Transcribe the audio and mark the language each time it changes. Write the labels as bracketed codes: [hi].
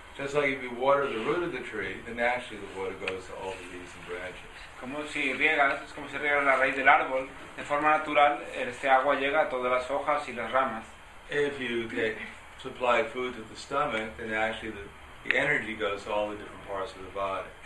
[en] Just like if you water the root of the tree, then naturally the water goes to all the leaves and branches. [es] Como si riegas, es como si riegas la raíz del árbol, de forma natural, este agua llega a todas las hojas y las ramas. [en] If you supply food to the stomach, then actually the energy goes to all the different parts of the body.